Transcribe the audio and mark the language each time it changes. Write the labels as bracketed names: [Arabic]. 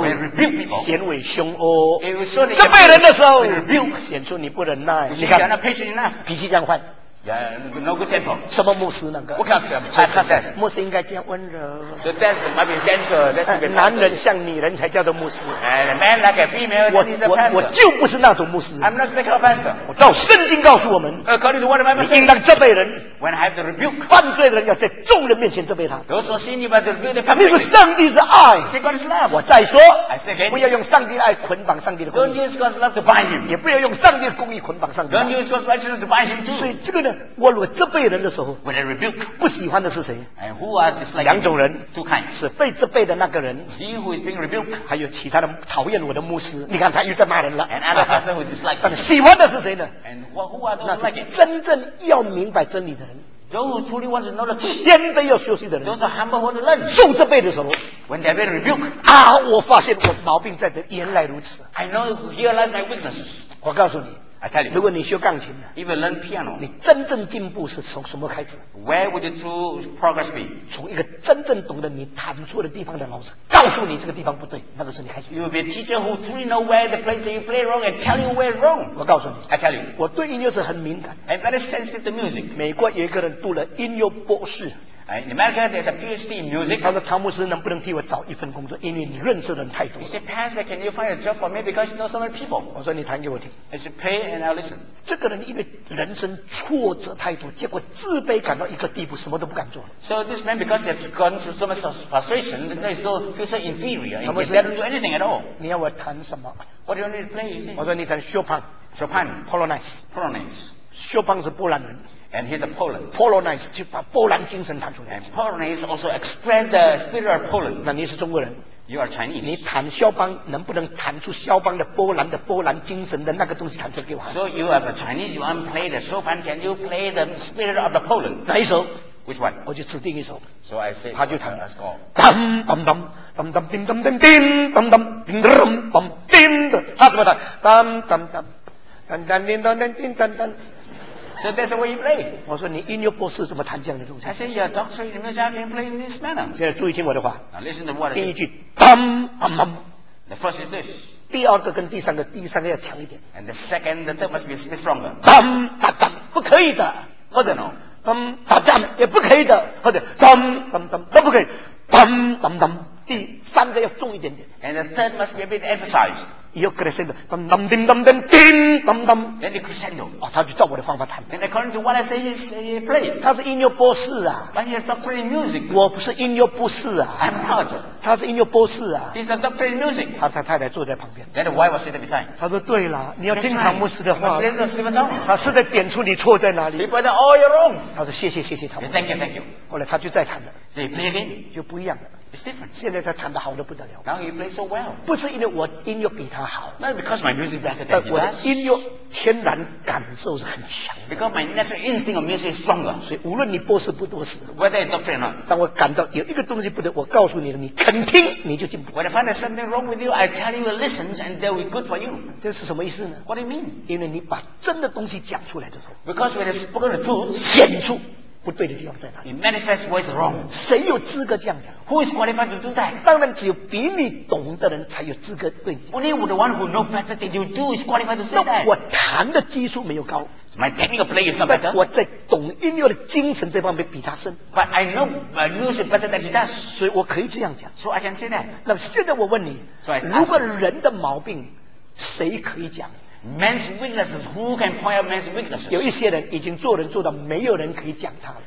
[English] we rebuke people, [Chinese] 显为凶恶 [English] sure, [Chinese] 这辈人的时候 [English] rebuke, [Chinese] 显出你不忍耐 [English] you are not patient enough, [Chinese] 脾气这样坏 [English] Yeah, no good temper. [Chinese] 什么牧师那个？我看不了。Pastor, 牧师应该这样温柔。 [English] The best might be gentle. That's the best. [Chinese] 男人像女人才叫做牧师。 [English] And a man like a female, that is a pastor. [Chinese] 我就不是那种牧师。 [English] I'm not that kind of pastor. [Chinese] 我照圣经告诉我们。 [English] According to what I'm saying, [Chinese] 应当责备人。 [English] When I have to rebuke, [Chinese] 犯罪的人要在众人面前责备他。 [English] Those who sin, you must rebuke the public. [Chinese] 那个上帝是爱。 [English] See God's love. [Chinese] 我再说。 [English] I say again. [Chinese] 不要用上帝的爱捆绑上帝的公义。 [English] Don't use God's love to bind him. [Chinese] 也不要用上帝的公义捆绑上帝。 [English] Don't use God's righteousness to bind him too. [Chinese] 所以这个呢？我如果责备人的时候 [English] When I rebuke, [Chinese] 不喜欢的是谁 [English] and who are disliking [Chinese] 两种人 [English] two kinds. [Chinese] 是被责备的那个人 [English] He who is being rebuked, [Chinese] 还有其他的讨厌我的牧师你看他又在骂人了 [English] and other person who dislike [Chinese] 但喜欢的是谁呢 [English] and who are those [Chinese] 那是真正要明白真理的人 [English] those who truly want to know the truth, [Chinese] 谦卑要休息的人 [English] those who humble want to learn, [Chinese] 受责备的时候 [English] when they are being rebuked, [Chinese] 啊我发现我毛病在这原来如此 [English] I know here lies my weaknesses [Chinese] 我告诉你 [English] I tell you, [Chinese] 如果你学钢琴的 [English] even learn piano, [Chinese] 你真正进步是从什么开始 [English] Where would the true progress be? [Chinese] 从一个真正懂得你弹错的地方的老师告诉你这个地方不对那个时候你开始 [English] You will be a teacher who truly know where the place that you play wrong and tell you where it's wrong [Chinese] 我告诉你 [English] I tell you, [Chinese] 我对音乐是很敏感 [English] I'm very sensitive to music [Chinese] 美国有一个人读了音乐博士 [English] In America, there's a PhD in music. [Chinese] 他说：“汤姆斯能不能替我找一份工作？因为你认识的人太多。” [English] He said, "Pastor, can you find a job for me because you know so many people?" [Chinese] 我说：“你弹给我听。” [English] I said, "Play and I'll listen." [Chinese] 这个人因为人生挫折太多，结果自卑感到一个地步，什么都不敢做。 [English] So this man, because he has gone through so much frustration, so he feels so inferior, he doesn't do anything at all. [Chinese] 你要我弹什么 [English] ？What do you need to play? You see? [Chinese] 我说：“你弹 Chopin, [English] Chopin, Polonaise, Polonaise. [Chinese] Chopin 是波兰人。” [English] And he's a Poland. [Chinese] Polonaise 就把波兰精神弹出来。 [English] And Polonaise also expressed the spirit of Poland. [Chinese] 那你是中国人。 [English] You are Chinese. [Chinese] 你弹肖邦能不能弹出肖邦的波兰精神的那个东西弹出给我 [English] ？So you are a Chinese. You want to play the Chopin? Can you play the spirit of the Poland? [Chinese] 哪一首 [English] ？Which one? [Chinese] 我就指定一首。 [English] So I say. [Chinese] 他就弹了。当当当当当叮当当叮当当叮当当叮的，他怎么弹？当当当当当叮当当叮当当。 [English] So that's the way you play. [Chinese] 我说你音乐博士怎么弹这样的东西 [English] ？I said your doctor in music how can you play in this manner. [Chinese] 现在注意听我的话。 [English] Now listen to what. [Chinese] 第一句，砰砰砰。 [English] The first is this. [Chinese] 第二个跟第三个，第三个要强一点。 [English] And the second, the third must be stronger. [Chinese] 砰砸砸，不可以的。或者呢？砰砸砸也不可以的。或者砰砰砰都不可以。砰砰砰，第三个要重一点点。 [English] And the third must be a bit emphasized. [Chinese] 有 crescendo， 咚咚叮咚咚叮咚咚 [English] ，then the crescendo， [Chinese] 哦，他就照我的方法弹。 [English] And according to what I say, he's a player。 [Chinese] 他是音乐博士啊。 [English] But he's a doctor in music。 [Chinese] 我不是音乐博士啊。 [English] I'm not。 [Chinese] 他是音乐博士啊。 [English] He's a doctor in music。 [Chinese] 他太太坐在旁边。 [English] Then the wife was sitting beside。 [Chinese] 他说对了，你要听汤姆斯的话。 [English] But listen to Stephen Tong。 [Chinese] 他是在点出你错在哪里。 [English] He pointed all your wrong。 [Chinese] 他说谢谢汤姆斯。 [English] Thank you, thank you。 [Chinese] 后来他就再弹了。 [English] They play again， [Chinese] 就不一样了。 [English] It's different. [Chinese] 现在他弹得好得不得了。 [English] Now he plays so well. [Chinese] 不是因为我音乐比他好。 [English] Not because my music is better than his. [Chinese] 我的音乐天然感受是很强的。 [English] Because my natural instinct of music is stronger. [Chinese] 所以无论你博士不博士。 [English] Whether it's doctor or not. [Chinese] 当我感到有一个东西不对，我告诉你了，你肯听，你就进步。 [English] When I find there's something wrong with you, I tell you to listen, and that will be good for you. [Chinese] 这是什么意思呢 [English] ？What do you mean? [Chinese] 因为你把真的东西讲出来的时候。 [English] Because when it's spoken the truth, [Chinese] 显出。不对的地方在哪里 [English] ？It manifests what is wrong. [Chinese] 谁有资格这样讲 [English] ？Who is qualified to do that? [Chinese] 当然，只有比你懂的人才有资格对你。 [English] Only the one who knows better than you do is qualified to say that. [Chinese] 我弹的技术没有高。 [English] My technical play is not better. [Chinese] 我在懂音乐的精神这方面比他深。 [English] But I know my music better than he does. [Chinese] 所以我可以这样讲。 [English] So I can say that. [Chinese] 那么现在我问你， [English] so、 [Chinese] 如果人的毛病，谁可以讲？ [English] Man's weaknesses. Who can point out man's weaknesses? [Chinese] 有一些人已经做人做到没有人可以讲他了。